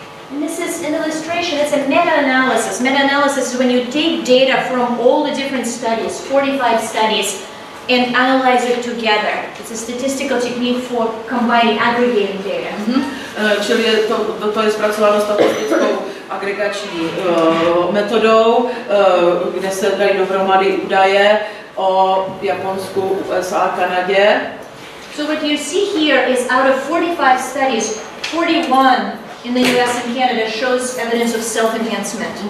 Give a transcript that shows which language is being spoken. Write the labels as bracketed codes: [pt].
[en] And this is an illustration, it's a meta-analysis. Meta-analysis is when you take data from all the different studies, 45 studies, and analyze it together. It's a statistical technique for combining aggregating data. Mm-hmm. [cs] Čili to je zpracováno statistickou agregační metodou, kde se dají dohromady údaje o Japonsku, USA a Kanadě. [en] So what you see here is out of 45 studies, 41 in the US and Canada shows evidence of self-enhancement.